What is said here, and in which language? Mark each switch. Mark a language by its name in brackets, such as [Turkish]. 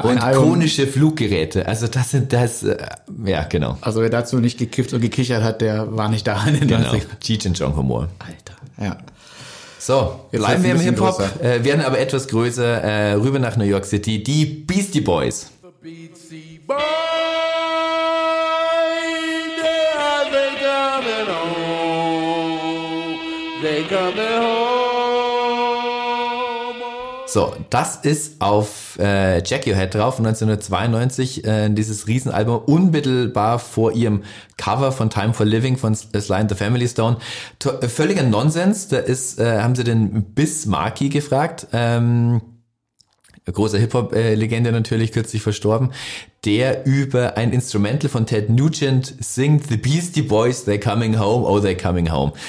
[German] und ikonische Fluggeräte. Also das sind das, ja genau. Also wer dazu nicht gekifft und gekichert hat, der war nicht da. In genau, Cheech and Chong Humor. Alter, ja. So, jetzt bleiben wir im Hip-Hop, werden aber etwas größer, rüber nach New York City, die Beastie Boys. [English] The Beastie Boys, they coming home, they coming home. [German] So, das ist auf Jack Your Head drauf, 1992, dieses Riesenalbum, unmittelbar vor ihrem Cover von Time for Living von Sly and the Family Stone. Völliger Nonsens, da ist, haben sie den Biz Markie gefragt, große Hip-Hop-Legende natürlich, kürzlich verstorben, der über ein Instrumental von Ted Nugent singt, The Beastie Boys, [English] They Coming Home, Oh They Coming Home.